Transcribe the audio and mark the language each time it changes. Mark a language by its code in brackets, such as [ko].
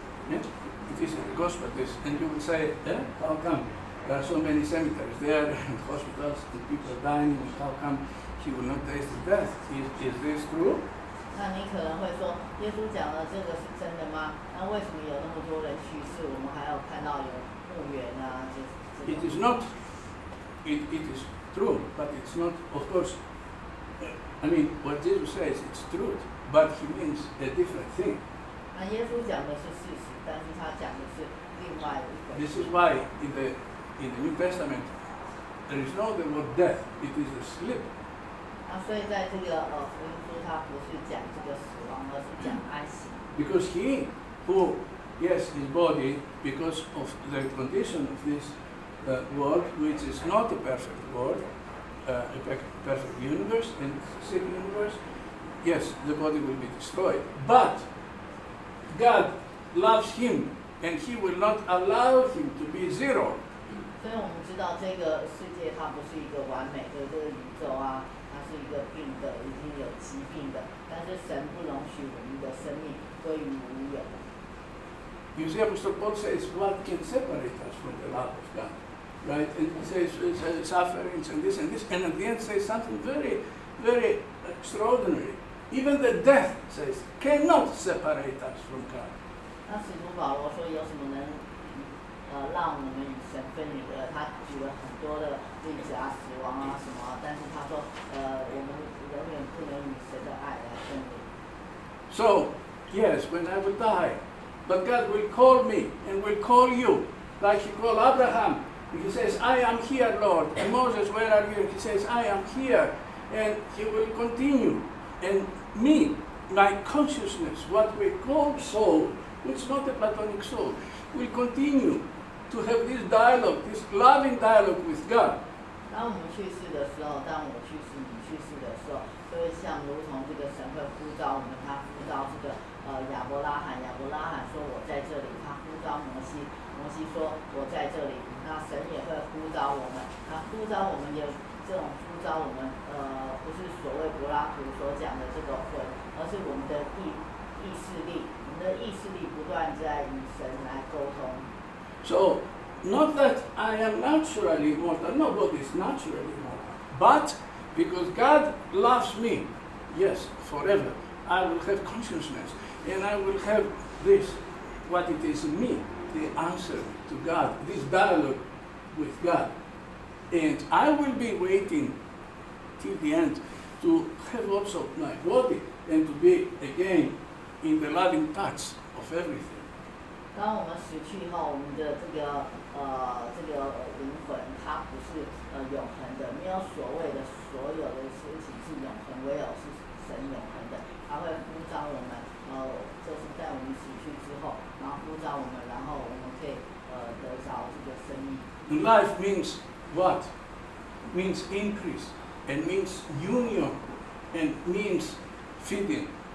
[en] Yeah, it is in the gospel this, and you would say, yeah, how come there are so many cemeteries there and hospitals and people are dying, and how come he will not taste the death? Is this true? [zh] 那你可能会说，耶稣讲的这个是真的吗？那为什么有那么多人去世，我们还要看到有墓园啊？这个、 [en] It is not, it is true, but it's not, of course, I mean, what Jesus says, it's truth, but he means a different thing. [zh] 耶稣讲的是事实，但是他讲的是另外一个。 [en] This is why in the New Testament there is no the word death; it is a slip. [zh] 那所以在这个福音书，他不是讲这个死亡，而是讲安息。 [en] Because he who yes his body because of the condition of this world, which is not a perfect world, a perfect universe and sick universe, yes the body will be destroyed, but God loves him, and he will not allow him to be zero. [zh] 所以我们知道这个世界它不是一个完美的这个宇宙啊，它是一个病的，已经有疾病的。但是神不容许我们的生命归于无有。 [en] You see, Apostle Paul says, "What can separate us from the love of God?" Right? And he says, "Sufferings and this and this." And at the end, says something very, very extraordinary. Even the death, says, cannot separate us from God. [zh] 那使徒保罗说有什么能让我们与神分离的？他举了很多的例子啊，死亡啊什么，但是他说我们永远不能与神的爱来分离。 [en] So, yes, when I will die, but God will call me and will call you, like he called Abraham. He says, I am here, Lord. And Moses, where are you? He says, I am here. And he will continue. And me, my consciousness, what we call soul, it's not a platonic soul, we continue to have this dialogue, this loving dialogue with God. [zh] 当我们去世的时候，当我去世，你去世的时候，就会像如同这个神会呼召我们，他呼召这个亚伯拉罕，亚伯拉罕说我在这里，他呼召摩西，摩西说我在这里，那神也会呼召我们，那呼召我们也。这种呼召我们，不是所谓柏拉图所讲的这个魂，而是我们的意识力，我们的意识力不断在与神来沟通。 [en] So, not that I am naturally mortal. Nobody is naturally mortal. But because God loves me, yes, forever, I will have consciousness, and I will have this, what it is in me, the answer to God, this dialogue with God. And I will be waiting till the end to have also my body and to be again in the loving touch of everything. [zh] 当我们死去以后，我们的这个灵魂，它不是永恒的，没有所谓的所有的事情是永恒，唯有是神永恒的。他会呼召我们，就是在我们死去之后，然后呼召我们，然后我们可以得着这个生命。 [en] Life means. What means increase and means union and means feeding?